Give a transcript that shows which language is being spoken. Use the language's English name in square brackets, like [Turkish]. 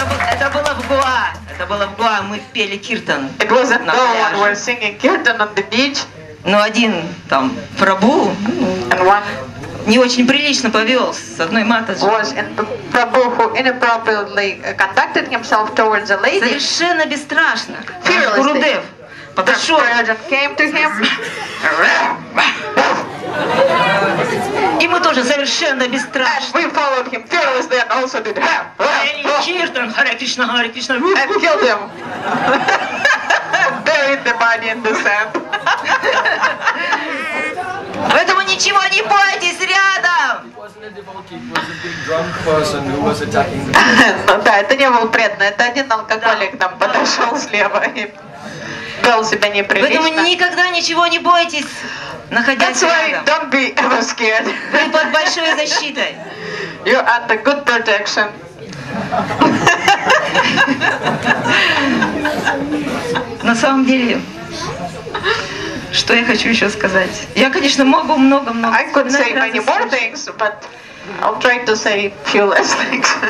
[Russian] Это было в Гоа. Это было в Гоа, мы пели киртан. [English] It was in Goa, we were singing kirtan on the beach. [Russian] Но один там Прабу не очень прилично повел с одной матаджи. [English] Was in Prabhu who inappropriately conducted himself towards a lady. [Russian] Совершенно бесстрашно. [English] Fearlessly. [Russian] Гурудев подошел. [English] Prajan came to him. [Russian] И мы тоже совершенно бесстрашны. [English] We followed him fearlessly and also did Kirtan, Hare Krishna, Hare Krishna. And killed him. Buried the body in the sand. [Russian] Поэтому ничего не бойтесь рядом. Да, это не был преданный, это один алкоголик там подошел слева и вел себя неприлично. Поэтому никогда ничего не бойтесь. [English] That's why don't be ever scared. [Russian] Вы под большой защитой. [English] You are the good protection. [Russian] На самом деле, что я хочу еще сказать? Я, конечно, могу много. [English] I could say many more things, but I'll try to say few less things.